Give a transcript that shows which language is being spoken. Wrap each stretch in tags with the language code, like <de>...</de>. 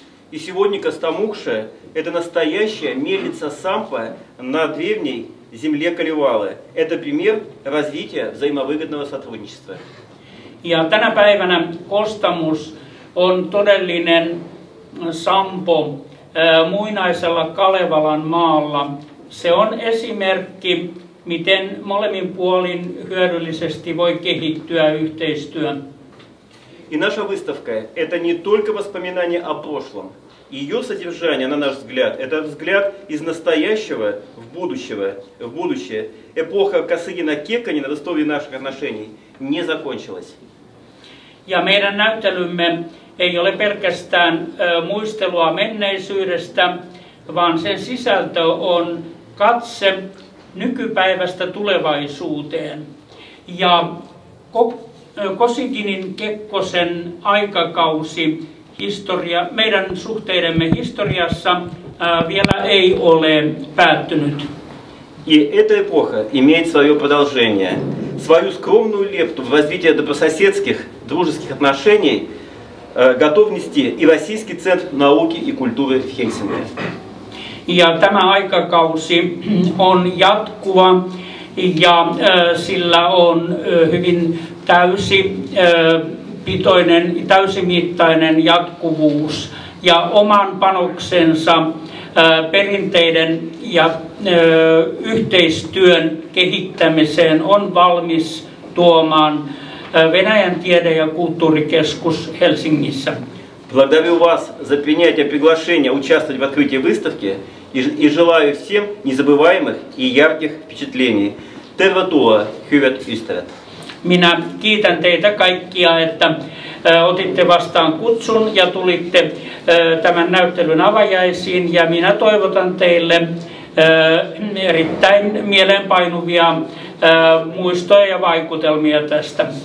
<ru>И сегодня Костомукша – это настоящая мельница Сампа на древней земле Калевалы. Это пример развития взаимовыгодного сотрудничества.</ru> <fi>Ja tänä päivänä Костомус on todellinen Sampo muinaisella Kalevalan maalla. Se on esimerkki, miten molemmin puolin hyödyllisesti voi kehittyä yhteistyö.</fi> <ru>И наша выставка – это не только воспоминание о прошлом. Ее содержание, на наш взгляд, это взгляд из настоящего в будущее. Эпоха Косыгина-Кекконена в истории наших отношений не закончилась.</ru> <fi>Ja meidän näyttelymme ei ole pelkästään muistelua menneisyydestä, vaan sen sisältö on katse nykypäivästä tulevaisuuteen. Ja Kosiginin Kekkosen aikakausi historia, meidän suhteidemme historiassa vielä ei ole päättynyt.</fi> <ru>И эта эпоха имеет свое продолжение. Свою скромную лепту в развитие добрососедских, дружеских отношений готов нести и Российский центр науки и культуры в Хельсинки.</ru> <fi>Ja tämä aikakausi on jatkuva ja sillä on hyvin täysipitoinen, täysimittainen jatkuvuus ja oman panoksensa perinteiden ja yhteistyön kehittämiseen on valmis tuomaan Venäjän tiede- ja kulttuurikeskus Helsingissä.</fi> <ru>Благодарю вас за принятие приглашения участвовать в открытии выставки и желаю всем незабываемых и ярких впечатлений.</ru> <fi>Tervetuloa, hyvät ystävät. Minä kiitän teitä kaikkia, että otitte vastaan kutsun ja tulitte tämän näyttelyn avajaisiin ja minä toivotan teille erittäin mieleenpainuvia muistoja ja vaikutelmia tästä.</fi>